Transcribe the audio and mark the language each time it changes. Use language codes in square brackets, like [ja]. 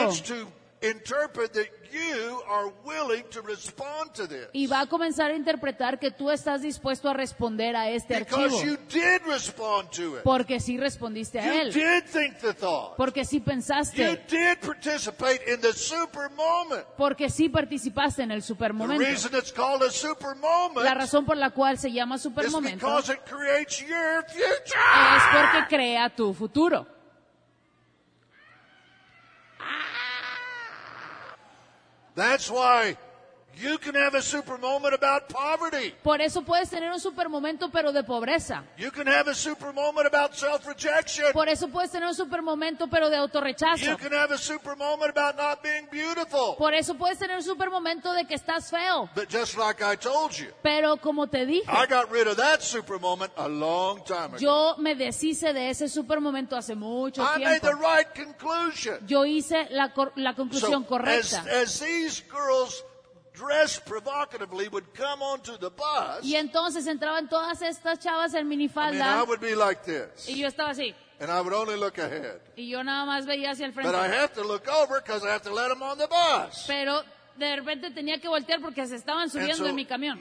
[en] and begins to interpret that you are willing to respond to this. [es] Y va a comenzar a interpretar que tú estás dispuesto a responder a este [en] because [es] archivo. [en] Because you did respond to it. [es] Porque sí respondiste [en] you [es] a él. [en] You did think the thought. [es] Porque sí pensaste. [en] You did participate in the super moment. [es] Porque sí participaste en el super momento. [en] The reason it's called a super moment. [es] La razón por la cual se llama super momento. [en] Is because it creates your future. [es] Es porque crea tu futuro. [en] That's why you can have a super moment about poverty. [es] Por eso puedes tener un super momento, pero de pobreza. [en] You can have a super moment about self-rejection. [es] Por eso puedes tener un super momento, pero de autorrechazo. [en] You can have a super moment about not being beautiful. [es] Por eso puedes tener un super momento de que estás feo. [en] But just like I told you. [es] Pero como te dije. [en] I got rid of that super moment a long time ago. [es] Yo me deshice de ese super momento hace mucho tiempo. [en] I made the right conclusion. [es] Yo hice la conclusión correcta. [en] As these girls dressed provocatively would come onto the bus. [es] Y entonces entraban todas estas chavas en minifalda. [en] I mean, I would be like this. [es] Y yo estaba así. [en] And I would only look ahead. [es] Y yo nada más veía hacia el frente. [en] But I have to look over because I have to let them on the bus. [es] Pero de repente tenía que voltear porque se estaban subiendo en mi camión.